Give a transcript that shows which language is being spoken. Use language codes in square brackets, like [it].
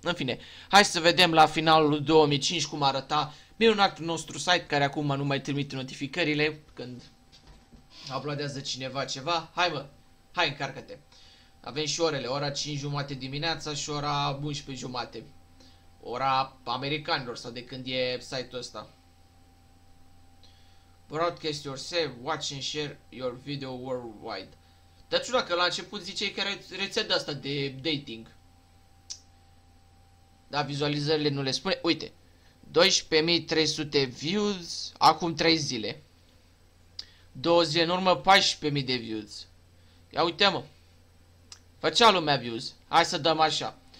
[ro] În fine, hai să vedem la finalul 2005 cum arăta minunatul nostru site, care acum nu mai trimite notificările când aplaudează cineva ceva. Hai mă, hai încarcă-te. Avem și orele, ora 5:30 dimineața și ora 11:30. Ora americanilor sau de când e site-ul ăsta. [en] Broadcast your save, watch and share your video worldwide. [ro] Dar ciudat că la început zice că are rețea de asta de dating. Da, vizualizările nu le spune. Uite, 12.300 views acum 3 zile. 2 zile în urmă, 14.000 de views. Ia uite mă, făcea lumea views. Hai să dăm așa.